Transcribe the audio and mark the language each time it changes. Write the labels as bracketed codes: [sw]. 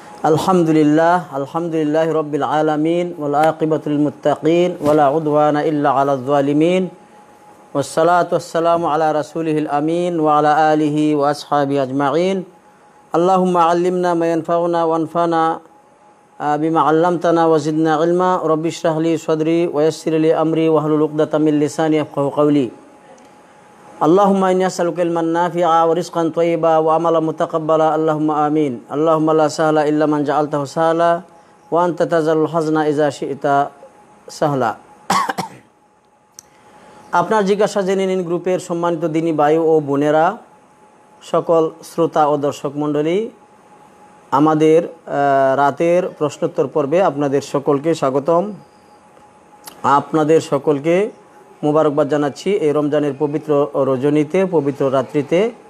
[ar] আলহামদুলিল্লাহ রাব্বিল আলামিন ওয়াল আকিবাতু লিল মুত্তাকিন ওয়া লা উদওয়ানা ইল্লা আলাল যালিমিন ওয়াস সালাতু ওয়াস সালামু আলা রাসূলিহিল আমিন ওয়া আলা আলিহি ওয়া আসহাবি আজমাইন। আল্লাহুম্মা আল্লিমনা মা ইয়ানফাউনা ওয়া আনফানা বিমা আল্লামতানা ওয়া জিদনা ইলমা রাব্বি ইশরাহ লি সাদরি ওয়া ইয়াসসির লি আমরি ওয়া হলুল উকদাতাম মিন লিসানি ইয়াফকাহু কাওলি। اللهم إني أسألك علما نافعا ورزقا طيبا وعملا متقبلا اللهم آمين। اللهم لا سهل إلا من جعلته سهلا وأنت تجعل الحزن إذا شئت سهلا। [bn] আপনার জিজ্ঞাসা জেনে নিন গ্রুপের সম্মানিত দিনী ভাই ও বোনেরা, সকল শ্রোতা ও দর্শক মণ্ডলী, আমাদের রাতের প্রশ্নোত্তর পর্বে আপনাদের সকলকে স্বাগতম। আপনাদের সকলকে মোবারকবাদ জানাচ্ছি এই রমজানের পবিত্র রজনীতে, পবিত্র রাত্রিতে।